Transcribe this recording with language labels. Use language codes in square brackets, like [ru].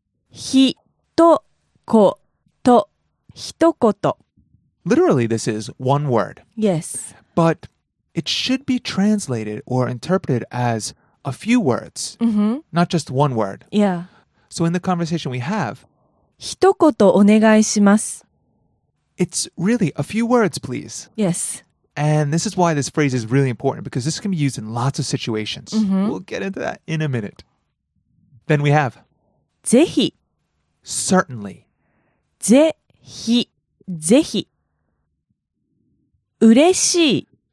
[ja] ひとこと [en] Literally, this is one word. Yes. But it should be translated or interpreted as a few words, not just one word. Yeah. So in the conversation we have, [ja] ひとことお願いします [en] It's really a few words, please. Yes. And this is why this phrase is really important, because this can be used in lots of situations. We'll get into that in a minute. Then we have, [ja] ぜひ [en] Certainly. [ja] ぜひ、ぜひ。うれしい。